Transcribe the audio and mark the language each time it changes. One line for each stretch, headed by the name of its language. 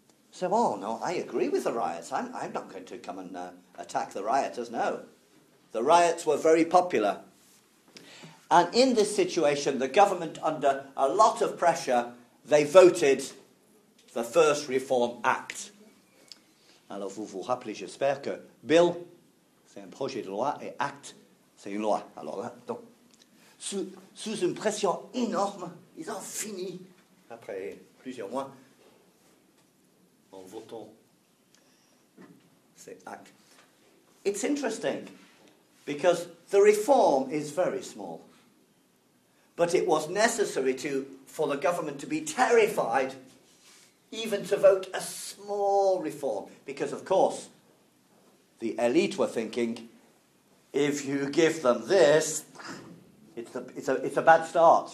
English: So, oh, no, I agree with the riots. I'm not going to come and attack the rioters, no. The riots were very popular. And in this situation, the government, under a lot of pressure, they voted the First Reform Act.
French: Alors, vous vous rappelez, j'espère que Bill... C'est un projet de loi et acte, c'est une loi. Alors là, donc, sous une pression énorme, ils ont fini, après plusieurs mois, en votant cet acte.
English: It's interesting, because the reform is very small, but it was necessary for the government to be terrified even to vote a small reform, because of course, the elite were thinking, if you give them this, it's a bad start.